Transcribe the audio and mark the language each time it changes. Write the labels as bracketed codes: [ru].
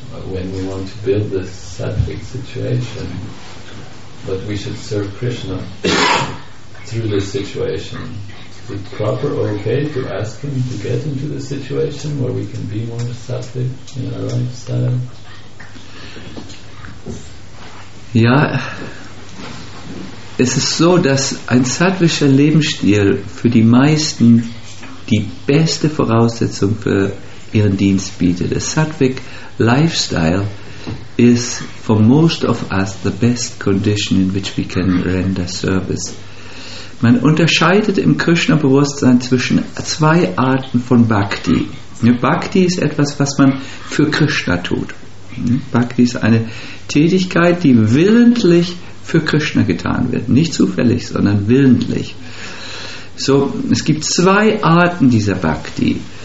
[en] When we want to build this sattvic situation, but we should serve Krishna through this situation. Is it proper or okay to ask him to get into the situation where we can be more sattvic in our lifestyle? [de] Ja, es ist so, dass ein sattvischer Lebensstil für die meisten die beste Voraussetzung für ihren Dienst bietet. [en] Der sattvic lifestyle is for most of us the best condition in which we can render service. [de] Man unterscheidet im Krishna-Bewusstsein zwischen zwei Arten von Bhakti. Bhakti ist etwas, was man für Krishna tut. Bhakti ist eine Tätigkeit, die willentlich für Krishna getan wird. Nicht zufällig, sondern willentlich. So, es gibt zwei Arten dieser Bhakti.